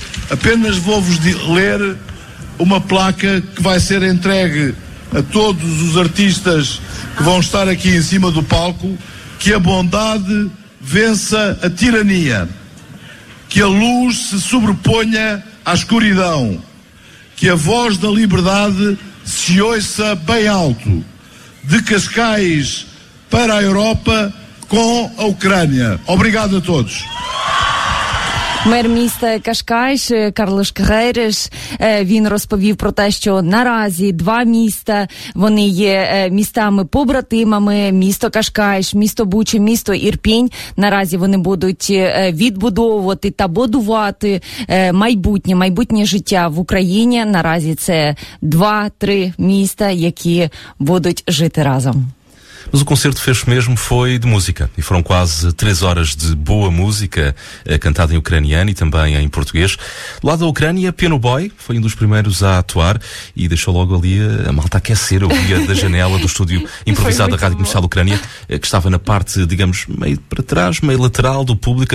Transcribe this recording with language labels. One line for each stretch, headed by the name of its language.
Portuguese: Apenas vou-vos ler uma placa que vai ser entregue a todos os artistas que vão estar aqui em cima do palco: que a bondade vença a tirania, que a luz se sobreponha à escuridão, que a voz da liberdade se ouça bem alto, de Cascais para a Europa com a Ucrânia. Obrigado a todos.
Ukrainian: Мер міста Кашкайш Карлош Кагереш, він розповів про те, що наразі два міста, вони є містами-побратимами, місто Кашкайш, місто Буча, місто Ірпінь, наразі вони будуть відбудовувати та будувати майбутнє, майбутнє життя в Україні. Наразі це два-три міста, які будуть жити разом.
Portuguese: Mas o concerto fez mesmo foi de música. E foram quase três horas de boa música, cantada em ucraniano e também em português. Do lado da Ucrânia, Piano Boy foi um dos primeiros a atuar e deixou logo ali a malta aquecer. Eu via da janela do estúdio improvisado da Rádio Comercial Ucrânia, que estava na parte, digamos, meio para trás, meio lateral do público.